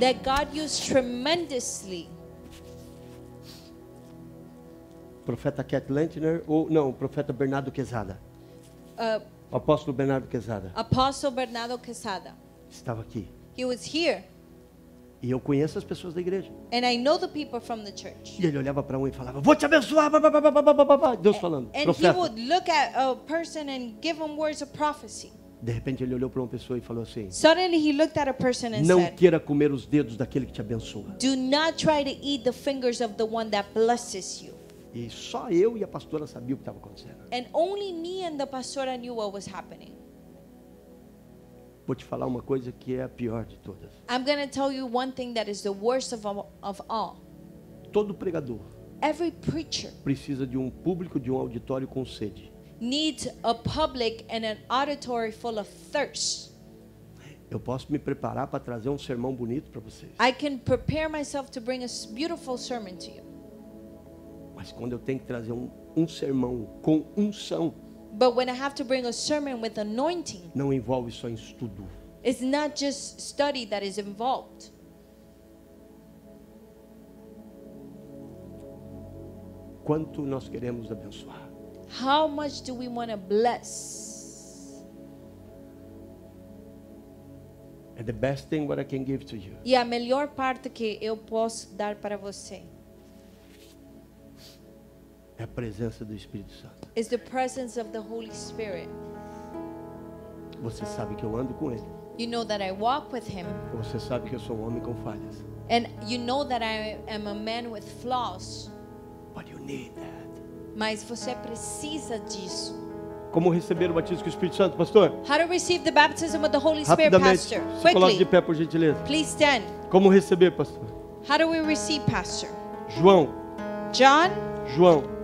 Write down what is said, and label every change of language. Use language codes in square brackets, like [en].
[en] That God used tremendously. [pt] Profeta Cat Lentner ou não, profeta Bernardo Quezada. Apóstolo Bernardo Quezada. [en] Apostle Bernardo Quezada. [pt] Estava aqui. [en] He was here. [pt] E eu conheço as pessoas da igreja. [en] And I know the people from the church. [pt] E ele olhava para um e falava: vou te abençoar, blá, blá, blá, blá, blá, blá. Deus falando. [en] And [pt] profeta. [en] He would look at a person and give him words of prophecy. [pt] De repente ele olhou para uma pessoa e falou assim: [en] suddenly he looked at a person and [pt] não [en] said, [pt] queira comer os dedos daquele que te abençoa. [en] Do not try to eat the fingers of the one that blesses you. [pt] E só eu e a pastora sabia o que estava acontecendo. [en] And only me and the pastora knew what was happening. [pt] Vou te falar uma coisa que é a pior de todas. [en] I'm going to tell you one thing that is the worst of all. [pt] Todo pregador. [en] Every preacher. [pt] Precisa de um público, de um auditório com sede. [en] Needs a public and an auditory full of thirst. [pt] Eu posso me preparar para trazer um sermão bonito para vocês. [en] I can prepare myself to bring a beautiful sermon to you. [pt] Mas quando eu tenho que trazer um sermão com unção. [en] But when I have to bring a sermon with anointing, [pt] não envolve só estudo. [en] It's not just study that is involved. [pt] Quanto nós queremos abençoar? [en] How much do we want to bless? And the best thing what I can give to you. [pt] E a melhor parte que eu posso dar para você. É a presença do Espírito Santo. [en] Is the presence of the Holy Spirit. [pt] Você sabe que eu ando com ele. [en] You know that I walk with him. [pt] Você sabe que eu sou um homem com falhas. [en] And you know that I am a man with flaws. But you need that. [pt] Mas você precisa disso. Como receber o batismo com o Espírito Santo, pastor? [en] How to receive the baptism with the Holy Spirit, pastor? [pt] Quickly. Coloque de pé, por gentileza. [en] Please stand. [pt] Como receber, pastor? [en] How do we receive, pastor? [pt] João. [en] John. [pt] João.